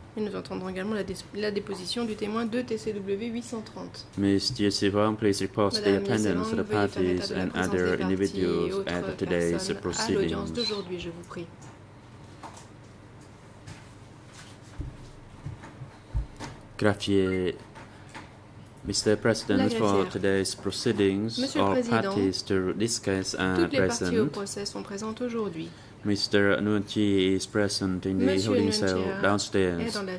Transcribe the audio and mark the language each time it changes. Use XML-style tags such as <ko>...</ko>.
<fr>Et nous entendrons également la déposition du témoin de TCW</fr> <en>830. Ms. Yesivan, please report the attendance of the parties and other individuals at today's proceedings.</en> <fr>Je vous prie.</fr> <en>Graphier. Mr. President, for today's proceedings, all parties to discuss are present.</en> <fr>Toutes les parties au procès sont présentes aujourd'hui.</fr> <en>Mr. Nunti is present in the holding cell downstairs.</en>